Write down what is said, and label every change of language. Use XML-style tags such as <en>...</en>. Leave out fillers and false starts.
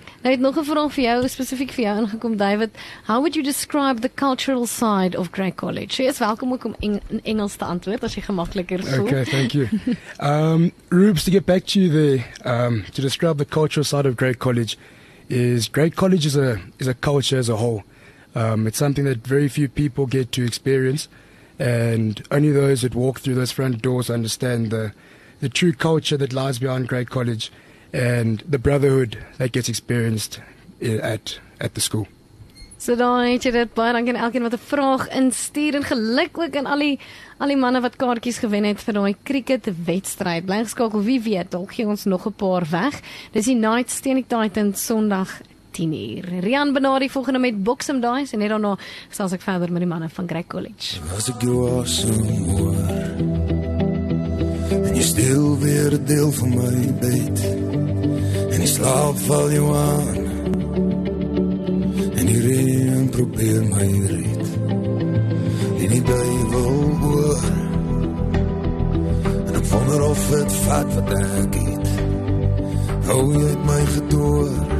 <af>Ek het nog 'n vraag vir jou, spesifiek vir jou ingekom, David.</af> <en>How would you describe the cultural side of Grey College?</en> <af>Jy is welkom ook om in Engels te antwoord, as jy gemakkeliker voel.</af> <en>Okay, thank you. Rubes, to get back to you there, to describe the cultural side of Grey College, is Grey College is a culture as a whole. It's something that very few people get to experience, and only those that walk through those front doors understand the true culture that lies behind Grey College. And the brotherhood that gets experienced at the school.</en> <af>So daai het jy dit, baie dankie aan elkeen wat 'n vraag instuur en geluk ook aan al die manne wat kaartjies gewen het vir daai cricket wedstryd. Bly geskakel, wie weet, dalk gee ons nog 'n paar weg. Dis die Knights teen die Titans Sondag 10:00. Rian Benardi volgende met Boxum Dice en net daarna sal ek verder met die manne van Grey College. Jy stil weer 'n deel van my bed en die slaap val jou aan en die reën probeer my red en die duivel hoor en ek wonder of het vat wat ek het hou jy het my gedoor</af>